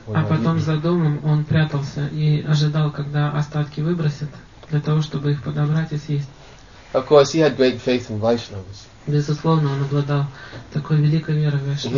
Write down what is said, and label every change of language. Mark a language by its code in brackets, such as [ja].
[ru] А потом за домом он прятался и ожидал, когда остатки выбросят, для того, чтобы их подобрать и съесть. [en] Of course, he had great faith in Vaishnavas. [ru] Безусловно, он обладал такой великой верой в Вайшнавов.